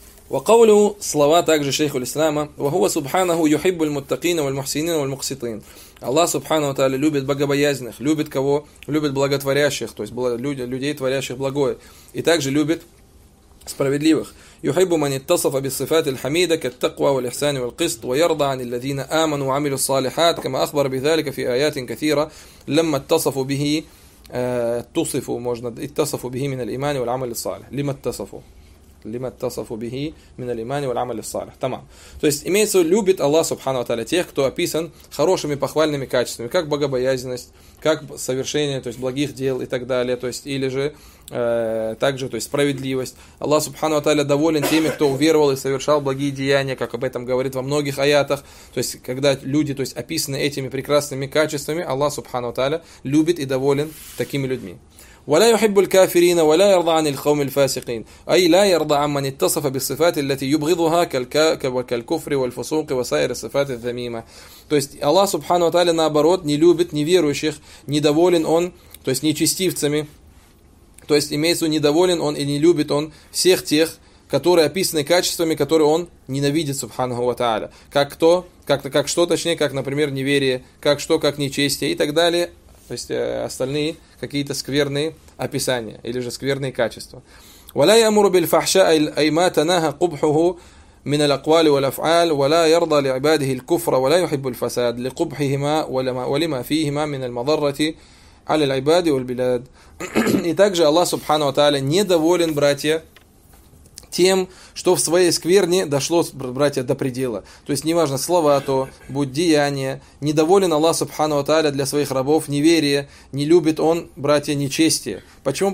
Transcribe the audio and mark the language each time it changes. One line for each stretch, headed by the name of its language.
Arabic: وقوله
Russian: слова также
Arabic: شيخ الإسلام وهو سبحانه يحب المتقين والمحسنين والمقسطين.
Russian: Аллах субхана ва тааля любит богобоязненных, любит кого? Любит благотворящих, то есть людей, творящих благое, и также любит справедливых.
Arabic: يحب من اتصف بالصفات الحميدة كالتقوى والإحسان والقسط ويرضى عن الذين آمنوا وعملوا الصالحات كما أخبر بذلك في آيات كثيرة لما اتصفوا به اتصفوا можно اتصفوا به من الإيمان والعمل الصالح لما اتصفوا лима тасафу бихи мин алимани валь амали салих.
Russian: Тамам. То есть имеется в виду, любит Аллах субхана ва тааля тех, кто описан хорошими похвальными качествами, как богобоязненность, как совершение, то есть благих дел и так далее, то есть или же также, то есть справедливость. Аллах субхана ва тааля доволен теми, кто уверовал и совершал благие деяния, как об этом говорит во многих аятах. То есть когда люди, то есть описаны этими прекрасными качествами, Аллах субхана ва тааля любит и доволен такими людьми.
Arabic: ولا يحب الكافرين ولا يرضى عن القوم الفاسقين اي لا يرضى عمن اتصف بالصفات التي يبغضها كالكفر والفسوق وسائر الصفات الذميمه.
Russian: То есть Аллах субхана ва тааля наоборот не любит неверующих, недоволен он, то есть нечестивцами. То есть имеется в виду, недоволен он и не любит он всех тех, которые описаны качествами, которые он ненавидит субханаху ва тааля. Как то, как что точнее, как например, неверие, как что, как нечестие и так далее. То есть остальные какие-то скверные описания или же скверные качества.
Arabic: ولا يأمر بالفحشاء أي ما تناهى قبحه من الأقوال والأفعال ولا يرضى لعباده الكفر ولا يحب الفساد لقبحهما ولما فيهما من المضرة على العباد والبلاد.
Russian: И также Аллах субхана ва тааля недоволен, братья, тем, что в своей скверне дошло, братья, до предела. То есть, неважно, слова то, будь деяние, недоволен Аллах субхана ва тааля для своих рабов неверие, не любит он, братья, нечестие. Почему?